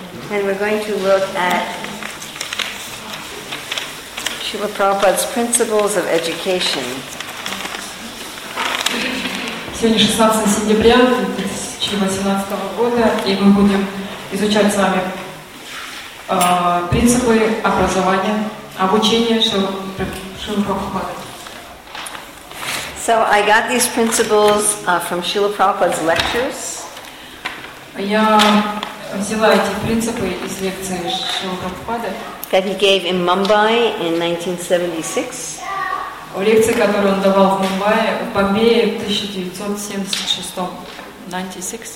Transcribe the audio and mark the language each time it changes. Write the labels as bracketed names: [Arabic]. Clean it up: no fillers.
[English] And we're going to look at Srila Prabhupada's principles of education. [Russian] Сегодня 16 сентября 2018 года, и мы будем изучать с вами принципы образования, обучения Шрилы Прабхупады. [English] So I got these principles from Srila Prabhupada's lectures. [Russian] Я взяла эти принципы из лекции Шрилы Прабхупады. [English] That he gave in Mumbai in 1976. [Russian] В лекции, которую он давал в Мумбаи, в Бомбее в 1976.